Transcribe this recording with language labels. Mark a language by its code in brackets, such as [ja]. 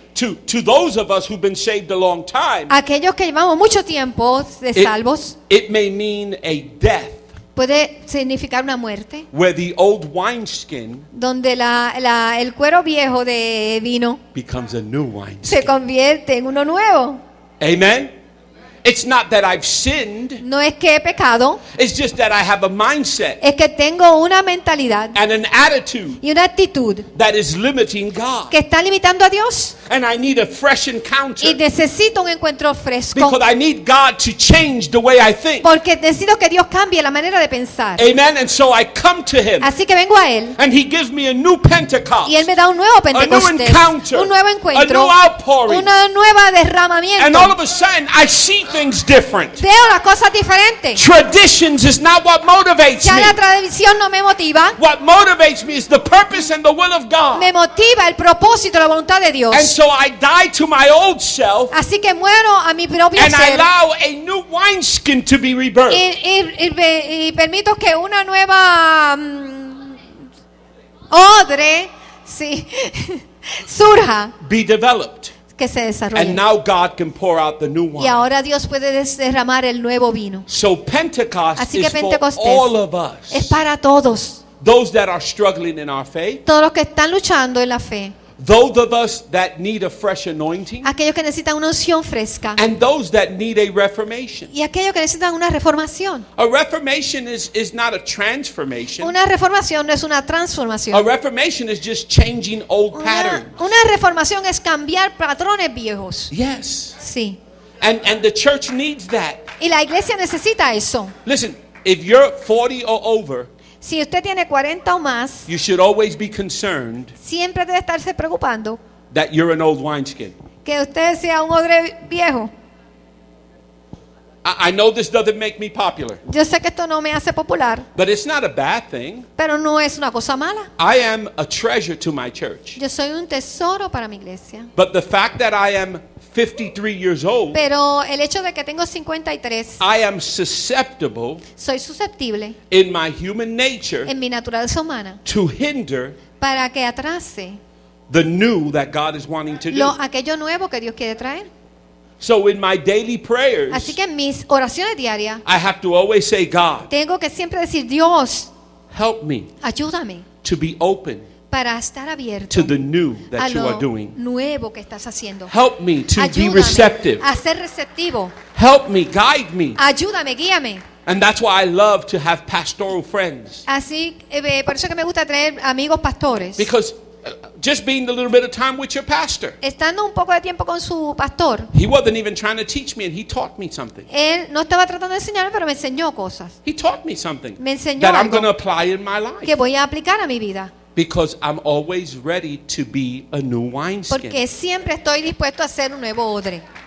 [en] To those of us who've been saved a long time. [es] Aquellos que llevamos mucho tiempo de salvos. [en] It may mean a death. [es] Puede significar una muerte. [en] Where the old wineskin. [es] Donde el cuero viejo de vino. [en] Becomes a new wineskin. [es] Se convierte en uno nuevo. [en] Amen. It's not that I've sinned. [es] No es que he pecado. [en] It's just that I have a mindset. [es] Es que tengo una mentalidad. [en] And an attitude. [es] Y una actitud. [en] That is limiting God. [es] Que está limitando a Dios. [en] And I need a fresh encounter. [es] Y necesito un encuentro fresco. [en] Because I need God to change the way I think. [es] Porque necesito que Dios cambie la manera de pensar. [en] Amen. And so I come to him. [es] Así que vengo a él. [en] And he gives me a new Pentecost. [es] Y él me da un nuevo Pentecostés. [en] A new encounter. [es] Un nuevo encuentro. [en] A new outpouring. [es] Una nueva derramamiento. [en] And all of a sudden I see things different. [es] Veo las cosas diferentes. [en] Traditions is not what motivates me. [es] Ya la tradición no me motiva. [en] What motivates me is the purpose and the will of God. [es] Me motiva el propósito, la voluntad de Dios. [en] And so I die to my old self. [es] Así que muero a mi propio [en] and [es] ser. [en] And I allow a new wineskin to be rebirthed. [es] Y permito que una nueva odre sí, surja. [en] Be developed. [es] Que se desarrolle. [en] And now God can pour out the new wine. [es] Y ahora Dios puede derramar el nuevo vino. [en] So Pentecost [es] así que Pentecostés [en] is for all of us. [es] Es para todos. [en] Those that are struggling in our faith. [es] Todos los que están luchando en la fe. [en] Those of us that need a fresh anointing. [es] Aquellos que necesitan una unción fresca. [en] And those that need a reformation. [es] Y aquellos que necesitan una reformación. [en] A reformation is not a transformation. [es] Una reformación no es una transformación. [en] A reformation is just changing old patterns. [es] Una reformación es cambiar patrones viejos. [en] Yes. [es] Sí. [en] And the church needs that. [es] Y la iglesia necesita eso. [en] Listen, if you're 40 or over. [es] Si usted tiene 40 o más, [en] you should always be concerned. [es] Siempre debe estarse preocupando. [en] That you're an old wineskin. [es] Que usted sea un odre viejo. [en] I know this doesn't make me popular. [es] Yo sé que esto no me hace popular. [en] But it's not a bad thing. [es] Pero no es una cosa mala. [en] I am a treasure to my church. [es] Yo soy un tesoro para mi iglesia. [en] But the fact that I am 53 years old. [es] Pero el hecho de que tengo 53. [en] I am susceptible. [es] Soy susceptible. [en] In my human nature. [es] En mi naturaleza humana. [en] To hinder. [es] Para que atrase. [en] The new that God is wanting to do. [es] Lo aquello nuevo que Dios quiere traer. [en] So in my daily prayers, [es] así que en mis oraciones diarias, [en] I have to always say, God, [es] tengo que siempre decir, Dios, [en] help me, [es] ayúdame, [en] to be open, [es] para estar abierto, [en] to the new that you are doing, [es] nuevo que estás haciendo. [en] Help me to [es] ayúdame [en] be receptive, [es] a ser receptivo. [en] Help me, guide me, [es] ayúdame, guíame. [en] And that's why I love to have pastoral friends. [es] Así, por eso que me gusta traer amigos pastores. [en] Because just being a little bit of time with your pastor. [es] Estando un poco de tiempo con su pastor. [en] He wasn't even trying to teach me, and he taught me something. [es] Él no estaba tratando de enseñarme, pero me enseñó cosas. [en] He taught me something. [es] Me enseñó [en] that [es] algo [en] I'm going to apply in my life. [es] Que voy a aplicar a mi vida. [en] Because I'm always ready to be a new wineskin. [es] Porque siempre estoy dispuesto a ser un nuevo odre.